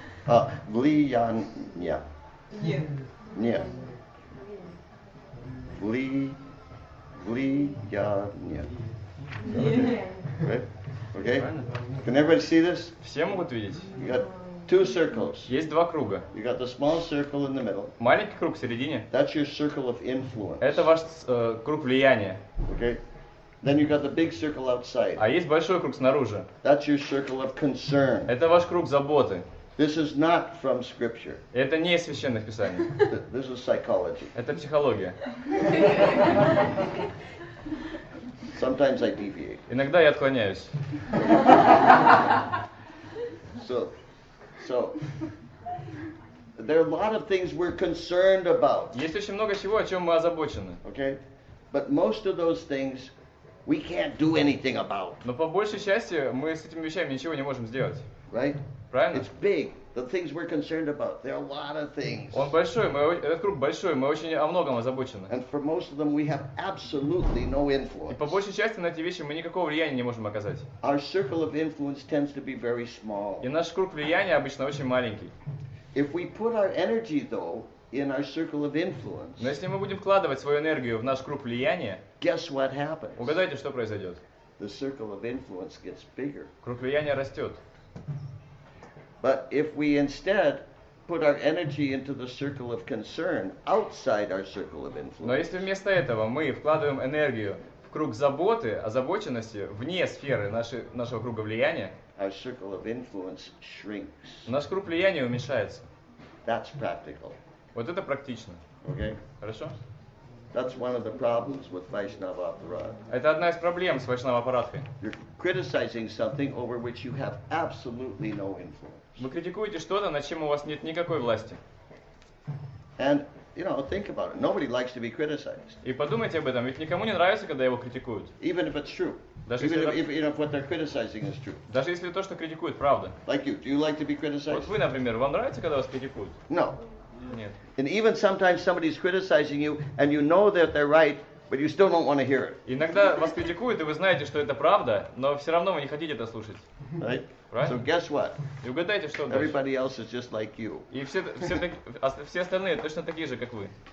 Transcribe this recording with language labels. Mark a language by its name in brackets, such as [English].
[English] А, вли я не. Не. Не. Вли, вли я не. Не. Окей? Can everybody see this? [Russian] Все могут видеть? [English] You got two circles. [Russian] Есть два круга. [English] You got the small circle in the middle. [Russian] Маленький круг в середине. [English] That's your circle of influence. [Russian] Это ваш круг влияния. [English] Okay. Then you got the big circle outside. [Russian] А есть большой круг снаружи. [English] That's your circle of concern. [Russian] Это ваш круг заботы. [English] This is not from scripture. [Russian] Это не из священных писаний. [English] This is psychology. [Russian] Это психология. [English] Sometimes I deviate. [Russian] Иногда я отклоняюсь. [English] So, there are a lot of things we're concerned about. [Russian] Есть очень много чего, о чем мы озабочены. [English] Okay, but most of those things we can't do anything about. [Russian] Но по большей части мы с этими вещами ничего не можем сделать. [English] Right? [Russian] Правильно? [English] It's big. The things we're concerned about. There are a lot of things. [Russian] Он большой, мы этот круг большой, мы очень о многом озабочены. [English] And for most of them we have absolutely no influence. [Russian] И по большей части на эти вещи мы никакого влияния не можем оказать. [English] Our circle of influence tends to be very small. [Russian] И наш круг влияния обычно очень маленький. [English] If we put our energy though in our circle of influence. [Russian] Но если мы будем вкладывать свою энергию в наш круг влияния, [English] guess what happens? [Russian] Угадайте, что произойдет? [English] The circle of influence gets bigger. [Russian] Круг влияния растет. [English] But if we instead put our energy into the circle of concern outside our circle of influence. [Russian] Но если вместо этого мы вкладываем энергию в круг заботы, озабоченности вне сферы нашего круга влияния, [English] our circle of influence shrinks. [Russian] Наш круг влияния уменьшается. [English] That's practical. [Russian] Вот это практично. [English] Okay. [Russian] Хорошо? [English] That's one of the problems with Vaishnava Aparad. [Russian] Это одна из проблем с Вайшнава Апарадхой. [English] You're criticizing something over which you have absolutely no influence. [Russian] Вы критикуете что-то, над чем у вас нет никакой власти. [English] And, you know, think about it. Nobody likes to be criticized. [Russian] И подумайте об этом, ведь никому не нравится, когда его критикуют. [English] Even if it's true. [Russian] Даже если [English] what they're criticizing is true. [Russian] Даже если то, что критикуют, правда. [English] Like you. Do you like to be criticized? [Russian] Вот вы, например, вам нравится, когда вас критикуют? [English] No. [Russian] Нет. [English] And even sometimes somebody is criticizing you, and you know that they're right, but you still don't want to hear it. [Russian] Иногда вас критикуют, и вы знаете, что это правда, но все равно вы не хотите это слушать. [English] Right? Right? So guess what? [Russian] И угадайте, что дальше. [English] Everybody else is just like you. [Russian] И все остальные точно такие же, как вы.